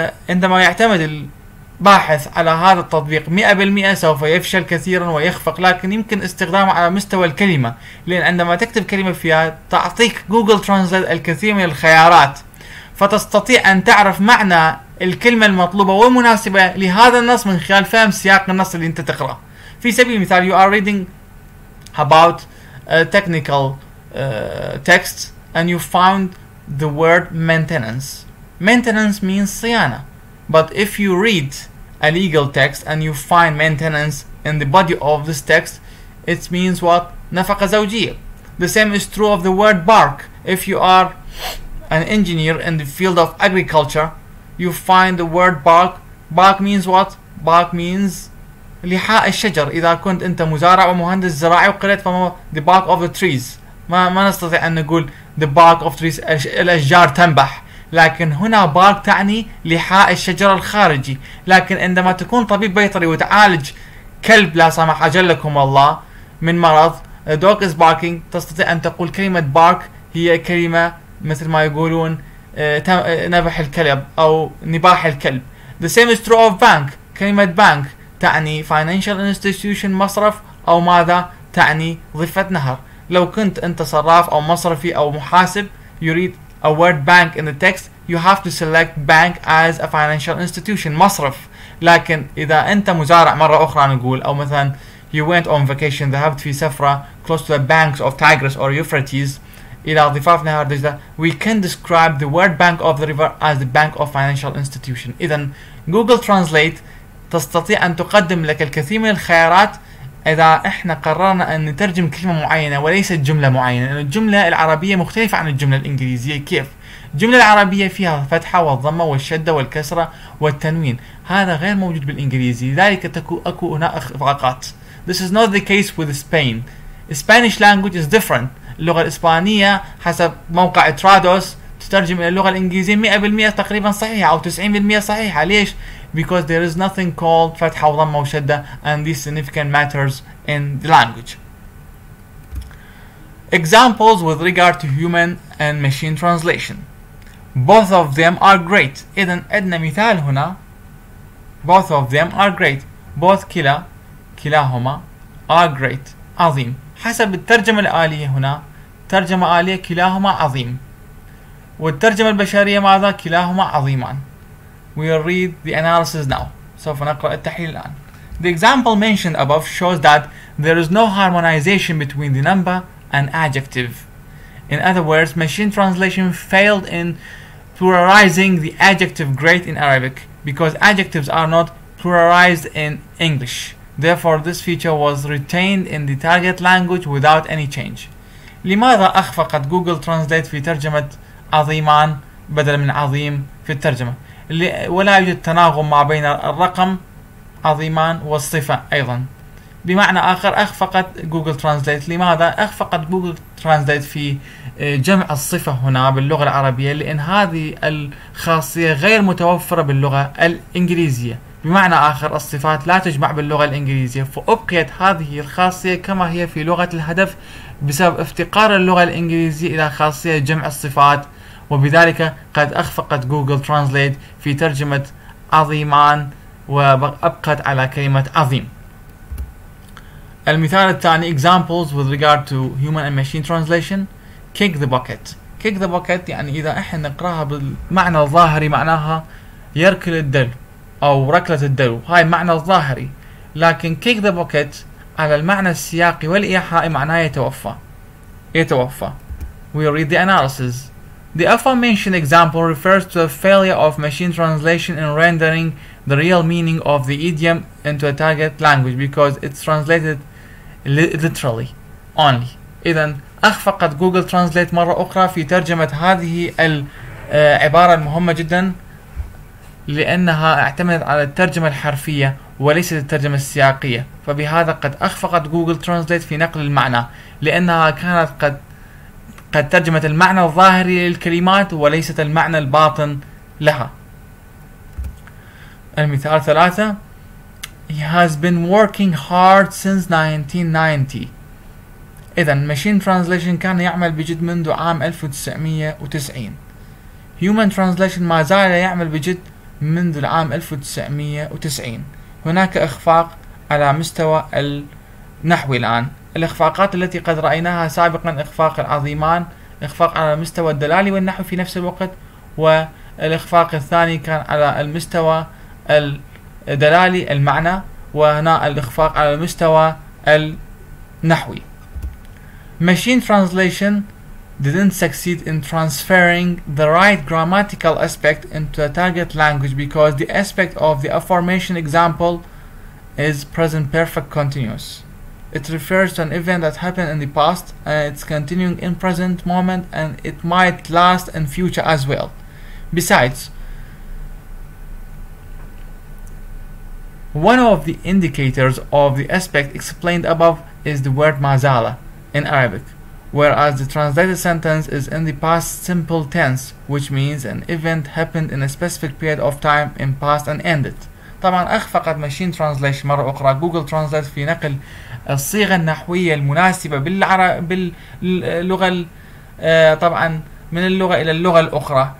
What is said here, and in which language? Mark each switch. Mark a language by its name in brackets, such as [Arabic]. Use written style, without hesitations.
[Arabic] عندما يعتمد الباحث على هذا التطبيق 100% سوف يفشل كثيرا ويخفق، لكن يمكن استخدامه على مستوى الكلمة، لأن عندما تكتب كلمة فيها تعطيك جوجل ترانسليت الكثير من الخيارات، فتستطيع أن تعرف معنى الكلمة المطلوبة والمناسبة لهذا النص من خلال فهم سياق النص اللي أنت تقرأ. في سبيل المثال [English] you are reading about a technical text and you found the word maintenance. Maintenance means [Arabic] صيانة. [English] But if you read a legal text and you find maintenance in the body of this text, it means what? [Arabic] نفقة زوجية. [English] The same is true of the word bark. If you are an engineer in the field of agriculture, you find the word bark. Bark means what? Bark means [Arabic] لحاء الشجر. إذا كنت أنت مزارع ومهندس زراعي وقريت فما [English] the bark of the trees. [Arabic] ما نستطيع أن نقول [English] the bark of trees [Arabic] الأشجار تنبح. لكن هنا bark تعني لحاء الشجر الخارجي. لكن عندما تكون طبيب بيطري وتعالج كلب لا سمح أجلكم الله من مرض [English] the dog is barking، [Arabic] تستطيع أن تقول كلمة bark هي كلمة مثل ما يقولون نبح الكلب أو نباح الكلب. [English] The same is true of bank. [Arabic] كلمة bank تعني [English] financial institution [Arabic] مصرف أو ماذا؟ تعني ضفة نهر. لو كنت أنت صراف أو مصرفي أو محاسب [English] you read a word bank in the text you have to select bank as a financial institution [Arabic] مصرف. لكن إذا أنت مزارع مرة أخرى نقول أو مثلا [English] you went on vacation [Arabic] ذهبت في سفرة [English] close to the banks of Tigris or Euphrates [Arabic] إلى ضفاف نهر دجلة [English] we can describe the word bank of the river as the bank of financial institution. [Arabic] إذن Google Translate تستطيع أن تقدم لك الكثير من الخيارات إذا إحنا قررنا أن نترجم كلمة معينة وليست جملة معينة. الجملة العربية مختلفة عن الجملة الإنجليزية. كيف؟ الجملة العربية فيها فتحة والضمة والشدة والكسرة والتنوين، هذا غير موجود بالإنجليزي، لذلك أكو هنا إخفاقات. [English] This is not the case with Spain. Spanish language is different. [Arabic] اللغة الإسبانية حسب موقع ترادوس تترجم إلى اللغة الإنجليزية 100% تقريبا صحيحة أو 90% صحيحة. ليش؟ [English] Because there is nothing called [Arabic] فتحة وضمة وشدة [English] and these significant matters in the language. Examples with regard to human and machine translation. Both of them are great. [Arabic] إذن عندنا مثال هنا. [English] Both of them are great. Both [Arabic] كلاهما [English] are great. [Arabic] عظيم. حسب الترجمة الآلية هنا ترجمة آلية كلاهما عظيم، والترجمة البشرية ماذا؟ كلاهما عظيمان. [English] We'll read the analysis now. [Arabic] سوف نقرأ التحليل الآن. [English] The example mentioned above shows that there is no harmonization between the number and adjective. In other words, machine translation failed in pluralizing the adjective great in Arabic because adjectives are not pluralized in English. Therefore, this feature was retained in the target language without any change. [Arabic] لماذا أخفقت Google Translate في ترجمة عظيمان بدلا من عظيم في الترجمة؟ ولا يوجد تناغم ما بين الرقم عظيمان والصفة أيضا. بمعنى آخر أخفقت Google Translate. لماذا أخفقت Google Translate في جمع الصفة هنا باللغة العربية؟ لأن هذه الخاصية غير متوفرة باللغة الإنجليزية. بمعنى آخر الصفات لا تجمع باللغة الإنجليزية، فأبقيت هذه الخاصية كما هي في لغة الهدف بسبب افتقار اللغة الإنجليزية إلى خاصية جمع الصفات، وبذلك قد أخفقت جوجل ترانسليت في ترجمة عظيمان وأبقت على كلمة عظيم. المثال الثاني [English] examples with regard to human and machine translation. Kick the bucket. [Arabic] Kick the bucket يعني إذا إحنا نقرأها بالمعنى الظاهري معناها يركل الدلو أو ركلة الدلو، هاي معنى الظاهري. لكن kick the bucket على المعنى السياقي والإيحائي معناه يتوفى. يتوفى. [English] We'll read the analysis. The aforementioned example refers to a failure of machine translation in rendering the real meaning of the idiom into a target language because it's translated literally only. [Arabic] إذن أخفقت Google Translate مرة أخرى في ترجمة هذه العبارة المهمة جدا لأنها اعتمدت على الترجمة الحرفية وليس الترجمة السياقية، فبهذا قد أخفقت جوجل ترانسليت في نقل المعنى، لأنها كانت قد ترجمت المعنى الظاهري للكلمات وليست المعنى الباطن لها. المثال 3: [English] He has been working hard since 1990. [Arabic] إذن machine translation كان يعمل بجد منذ عام 1990. [English] Human translation [Arabic] ما زال يعمل بجد منذ العام 1990. هناك إخفاق على مستوى النحو الآن. الإخفاقات التي قد رأيناها سابقا إخفاق العظيمان، إخفاق على مستوى الدلالي والنحو في نفس الوقت، والإخفاق الثاني كان على المستوى الدلالي المعنى، وهنا الإخفاق على المستوى النحوي. [English] Machine translation didn't succeed in transferring the right grammatical aspect into the target language because the aspect of the aforementioned example is present perfect continuous. It refers to an event that happened in the past and it's continuing in present moment and it might last in future as well. Besides, one of the indicators of the aspect explained above is the word mazala in Arabic, whereas the translated sentence is in the past simple tense, which means an event happened in a specific period of time in past and ended. [Arabic] طبعا أخفقت ماشين ترانسليشن مرة أخرى جوجل ترانسليت في نقل الصيغة النحوية المناسبة باللغة طبعا من اللغة إلى اللغة الأخرى.